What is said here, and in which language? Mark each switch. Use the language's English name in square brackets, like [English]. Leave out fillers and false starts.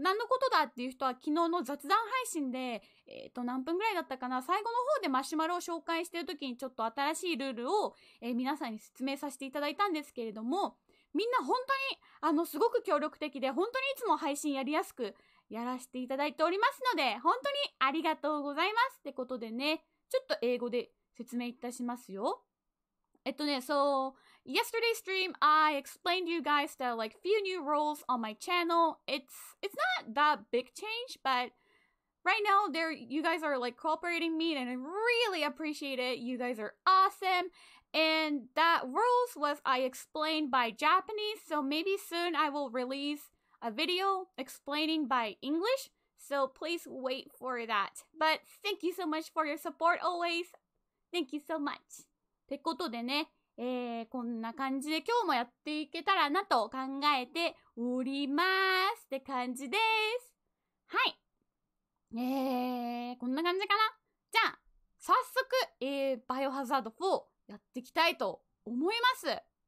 [Japanese] 何のことだっていう人は昨日の雑談配信で、何分ぐらいだったかな、最後の方でマシュマロを紹介してる時にちょっと新しいルールを、皆さんに説明させていただいたんですけれども、みんな本当に、すごく協力的で、本当にいつも配信やりやすくやらせていただいておりますので、本当にありがとうございます。ってことでね、ちょっと英語で説明いたしますよ。 [English] So yesterday's stream, I explained to you guys that like few new roles on my channel. It's not that big change, but right now there, you guys are like cooperating me and I really appreciate it. You guys are awesome. And that roles was I explained by Japanese. So maybe soon I will release a video explaining by English. So please wait for that. But thank you so much for your support always. Thank you so much. [Japanese] ってことでね、こんな感じで今日もやっていけたらなと考えておりますって感じです。はい、こんな感じかな。じゃあ早速、バイオハザード4やっていきたいと思います。